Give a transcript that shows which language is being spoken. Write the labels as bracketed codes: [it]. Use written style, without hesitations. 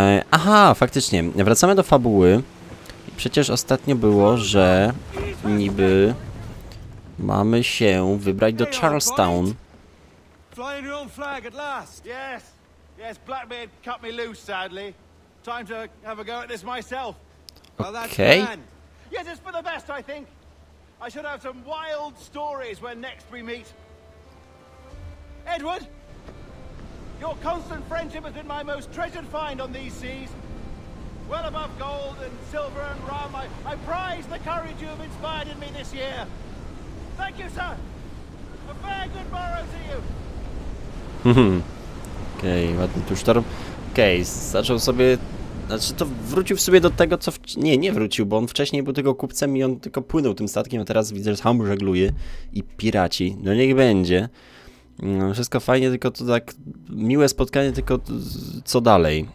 [pl] Aha, faktycznie, wracamy do fabuły, przecież ostatnio było, że niby mamy się wybrać do Charlestown. [en] Flying your own flag at last. Yes. Yes, Blackbeard cut me loose, sadly. Time to have a go at this myself. Okay. Well, that's planned. Yes, it's for the best, I think. I should have some wild stories when next we meet. Edward, your constant friendship has been my most treasured find on these seas. Well above gold and silver and rum, I prize the courage you have inspired in me this year. Thank you, sir. A fair good morrow to you. [pl] Okej, okay, ładny tu sztorm. Okej, okay, zaczął sobie. Znaczy, to wrócił sobie do tego, co. Nie wrócił, bo on wcześniej był tego kupcem i on tylko płynął tym statkiem, a teraz widzę, że sam żegluje i piraci. No niech będzie. Wszystko fajnie, tylko to tak. Miłe spotkanie, tylko co dalej?